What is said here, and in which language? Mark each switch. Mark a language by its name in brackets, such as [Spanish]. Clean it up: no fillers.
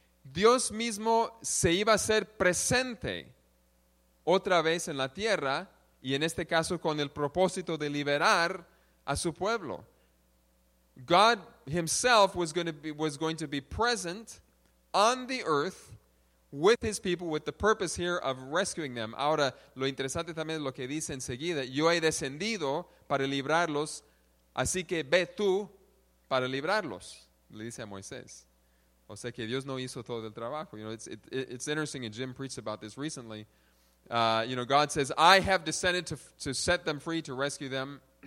[Spanish] Dios mismo se iba a hacer presente otra vez en la tierra, y en este caso con el propósito de liberar a su pueblo. [English] God himself was going to be present on the earth with his people, with the purpose here of rescuing them. [Spanish] Ahora, lo interesante también es lo que dice enseguida, yo he descendido para librarlos, así que ve tú para librarlos, le dice a Moisés. O sea que Dios no hizo todo el trabajo. [English] You know, it's interesting, and Jim preached about this recently. You know, God says, I have descended to set them free, to rescue them.